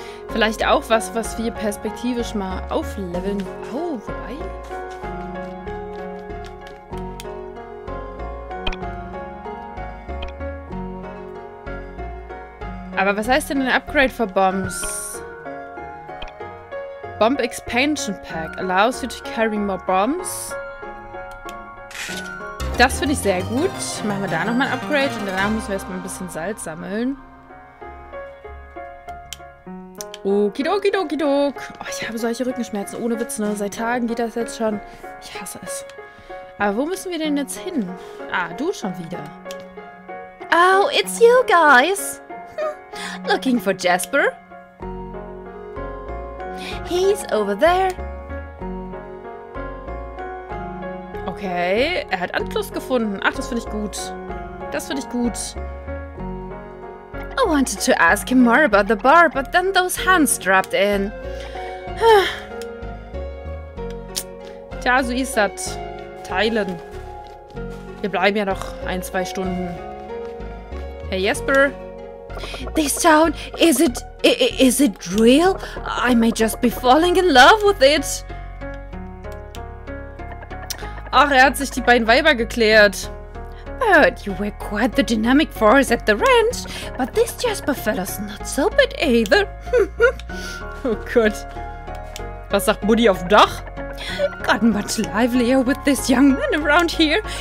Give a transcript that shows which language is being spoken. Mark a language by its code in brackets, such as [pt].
[de] Vielleicht auch was, was wir perspektivisch mal aufleveln. Oh, wobei? Aber was heißt denn ein Upgrade für Bombs? [en] Bomb Expansion Pack allows you to carry more bombs. [de] Das finde ich sehr gut. Machen wir da nochmal ein Upgrade und danach müssen wir erstmal ein bisschen Salz sammeln. Okidokidokidok. Oh, ich habe solche Rückenschmerzen. Ohne Witz, ne? Seit Tagen geht das jetzt schon. Ich hasse es. Aber wo müssen wir denn jetzt hin? Ah, du schon wieder. [en] Oh, it's you guys. Looking for Jasper? He's over there. [de] Okay, er hat Anschluss gefunden. Ach, das finde ich gut. Das finde ich gut. [en] I wanted to ask him more about the bar, but then those hands dropped in. [de] Tja, so ist das. Teilen. Wir bleiben ja noch ein, zwei Stunden. Hey Jasper. [en] This town, is it real? I may just be falling in love with it. [de] Ach, er hat sich die beiden Weiber geklärt. [en] But you were quite the dynamic force at the ranch. But this Jasper fellow's not so bad either. [de] Oh Gott. Was sagt Mutti auf dem Dach? [en] Got much livelier with this young man around here.